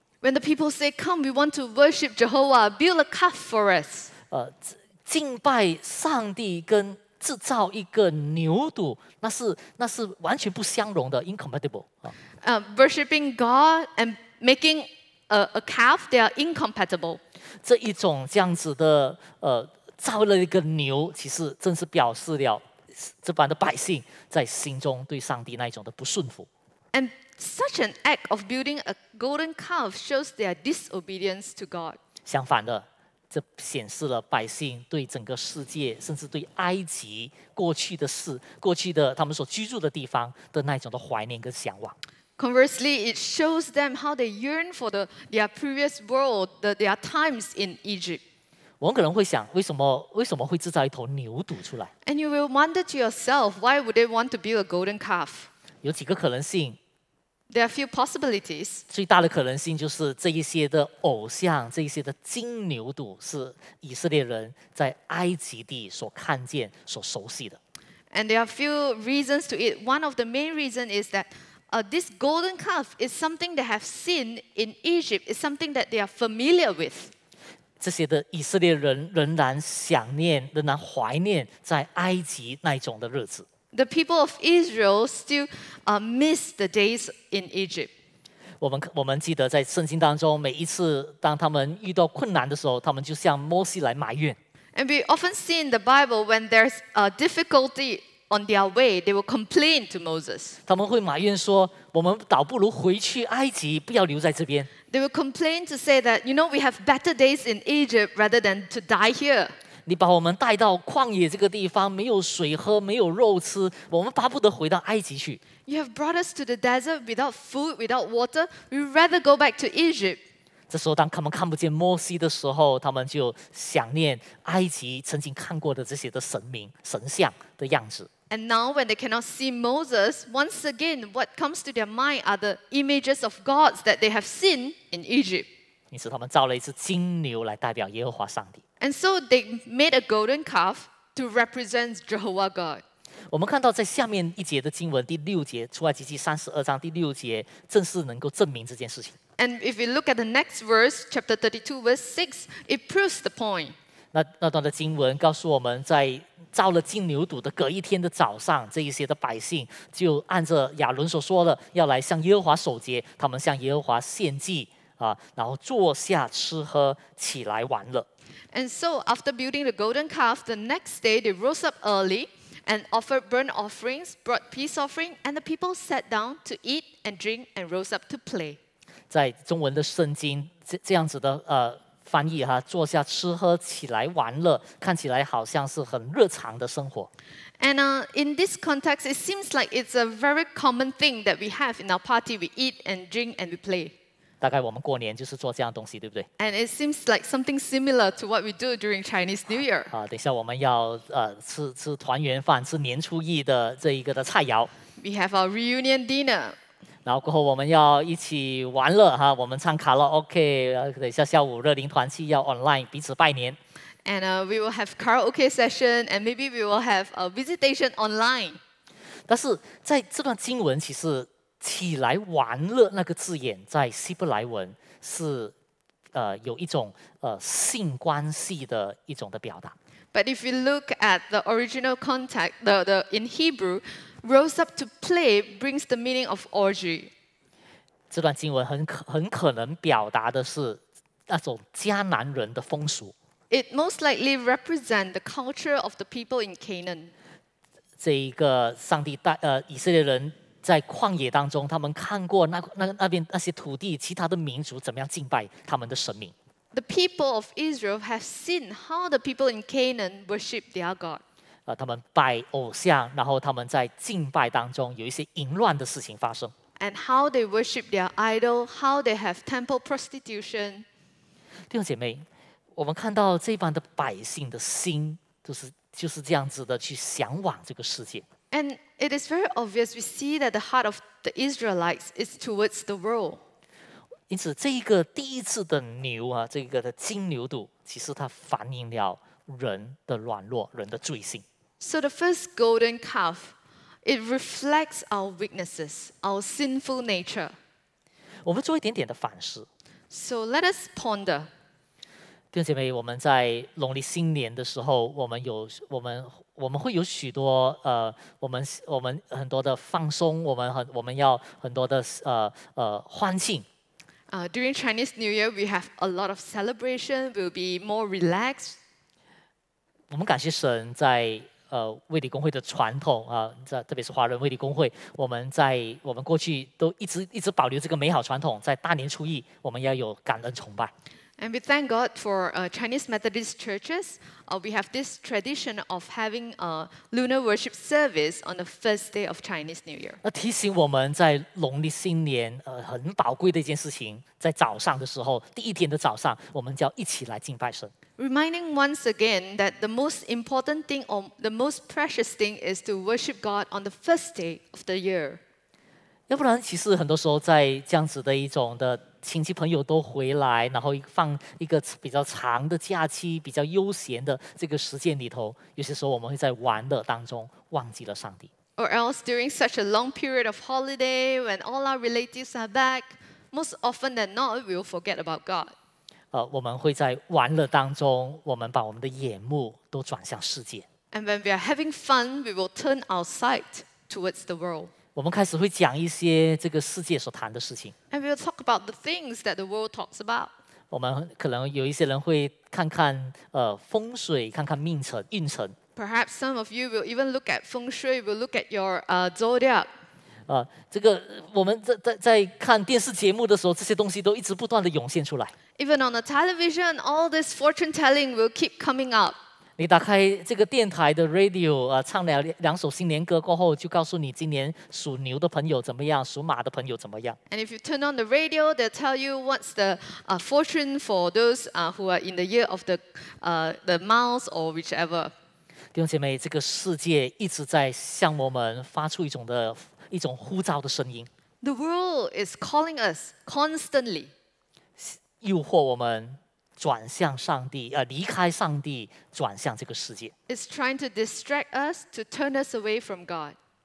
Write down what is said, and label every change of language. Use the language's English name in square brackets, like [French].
[English] When the people say, "Come, we want to worship Jehovah, build a calf for us." [Chinese] 敬拜上帝跟制造一个牛犊，那是完全不相容的 ， [English] incompatible. Worshiping God and making a calf, they are incompatible. [Chinese] 这一种这样子的造了一个牛，其实正是表示了这般的百姓在心中对上帝那一种的不顺服。 [English] And such an act of building a golden calf shows their disobedience to God. [Chinese] 相反的，这显示了百姓对整个世界，甚至对埃及过去的事、过去的他们所居住的地方的那一种的怀念跟向往。 [English] Conversely, it shows them how they yearn for their previous world, their times in Egypt. [Chinese] 我们可能会想，为什么会制造一头牛犊出来 [English] ？And you will wonder to yourself, why would they want to build a golden calf? [Chinese] 有几个可能性， [English] There are a few possibilities. [Chinese] 最大的可能性就是这一些的偶像，这一些的金牛犊是以色列人在埃及地所看见、所熟悉的。 [English] And there are a few reasons to it. One of the main reasons is that, this golden calf is something they have seen in Egypt. It's something that they are familiar with. [Chinese] 这些的以色列人仍然想念、仍然怀念在埃及那种的日子。 [English] The people of Israel still miss the days in Egypt. [Chinese] 我们记得在圣经当中，每一次当他们遇到困难的时候，他们就向摩西来埋怨。 [English] And we often see in the Bible when there's a difficulty on their way, they will complain to Moses. [Chinese] 他们会埋怨说，我们倒不如回去埃及，不要留在这边。 [English] They will complain to say that, you know, we have better days in Egypt rather than to die here. [Chinese] 你把我们带到旷野这个地方，没有水喝，没有肉吃，我们巴不得回到埃及去。 [English] You have brought us to the desert without food, without water. We'd rather go back to Egypt. [Chinese] 这时候，当他们看不见摩西的时候，他们就想念埃及曾经看过的这些的神明、神像的样子。 [English] And now, when they cannot see Moses, once again, what comes to their mind are the images of gods that they have seen in Egypt. [Chinese] 因此，他们造了一只金牛来代表耶和华上帝。 [English] And so they made a golden calf to represent Jehovah God. [Chinese] 我们看到在下面一节的经文第六节，出埃及记三十二章第六节，正是能够证明这件事情。 [English] And if we look at the next verse, chapter 32, verse 6, it proves the point. [Chinese] 那段的经文告诉我们，在造了金牛犊的隔一天的早上，这一些的百姓就按着亚伦所说的，要来向耶和华守节，他们向耶和华献祭啊，然后坐下吃喝，起来玩乐。 [English] And so, after building the golden calf, the next day they rose up early and offered burnt offerings, brought peace offering, and the people sat down to eat and drink and rose up to play. [Chinese] 在中文的圣经这样子的翻译哈，坐下吃喝起来玩乐，看起来好像是很日常的生活。 [English] And in this context, it seems like it's a very common thing that we have in our party. We eat and drink and we play. [Chinese] 大概我们过年就是做这样东西，对不对 [English] ？And it seems like something similar to what we do during Chinese New Year. [Chinese] 啊，等一下我们要吃团圆饭，吃年初一的这一个的菜肴。 [English] We have our reunion dinner. [Chinese] 然后过后我们要一起玩乐哈，我们唱卡拉 OK。等一下下午热灵团契要 online 彼此拜年。 [English] And we will have karaoke session, and maybe we will have a visitation online. [Chinese] 但是在这段经文其实。起来玩乐那个字眼在希伯来文是有一种性关系的一种的表达。 [English] But if you look at the original context, the in Hebrew, rose up to play brings the meaning of orgy. [Chinese] 这段经文很可能表达的是那种迦南人的风俗。 [English] It most likely represents the culture of the people in Canaan. [Chinese] 这一个上帝带以色列人。在旷野当中，他们看过 那些土地，其他的民族怎么样敬拜他们的神明。 [English] The people of Israel have seen how the people in Canaan worship their God. [Chinese] 他们拜偶像，然后他们在敬拜当中有一些淫乱的事情发生。 [English] And how they worship their idol, how they have temple prostitution. [Chinese] 弟兄姐妹，我们看到这般的百姓的心，就是这样子的去向往这个世界。 [English] And it is very obvious we see that the heart of the Israelites is towards the world. [Chinese] 因此，这一个第一次的牛啊，这个的金牛犊，其实它反映了人的软弱，人的罪性。 [English] So the first golden calf, it reflects our weaknesses, our sinful nature. [Chinese] 我们做一点点的反思。 [English] So let us ponder. [Chinese] 弟兄姐妹，我们在农历新年的时候，我们会有许多我们很多的放松，我们要很多的欢庆。 [English] During Chinese New Year, we have a lot of celebration. We'll be more relaxed. [Chinese] 我们感谢神在卫理公会的传统在特别是华人卫理公会，我们过去都一直保留这个美好传统，在大年初一我们要有感恩崇拜。 [English] And we thank God for Chinese Methodist churches. We have this tradition of having a lunar worship service on the first day of Chinese New Year. [Chinese] 那提醒我们在农历新年很宝贵的一件事情，在早上的时候，第一天的早上，我们就要一起来敬拜神。 [English] Reminding once again that the most important thing or the most precious thing is to worship God on the first day of the year. [Chinese] 要不然其实很多时候在这样子的一种的亲戚朋友都回来，然后放一个比较长的假期，比较悠闲的这个时间里头，有些时候我们会在玩乐当中忘记了上帝。 [English] Or else during such a long period of holiday, when all our relatives are back, most often than not, we'll forget about God. [Chinese] 我们会在玩乐当中，我们把我们的眼目都转向世界。 [English] And when we are having fun, we will turn our sight towards the world. [Chinese] 我们开始会讲一些这个世界所谈的事情。 [English] And we'll talk about the things that the world talks about. [Chinese] 我们可能有一些人会看看风水，看看命程、运程。 [English] Perhaps some of you will even look at feng shui, will look at your zodiac. [Chinese] 这个我们在看电视节目的时候，这些东西都一直不断的涌现出来。 [English] Even on the television, all this fortune telling will keep coming up. [Chinese] 你打开这个电台的 radio, 唱了两首新年歌过后，就告诉你今年属牛的朋友怎么样，属马的朋友怎么样。 [English] And if you turn on the radio, they'll tell you what's the fortune for those who are in the year of the mouse or whichever. [Chinese] 弟兄姐妹，这个世界一直在向我们发出一种呼召的声音。 [English] The world is calling us constantly， [Chinese] 诱惑我们转向上帝，离开上帝，转向这个世界。 [English] It's trying to distract us to turn us away from God。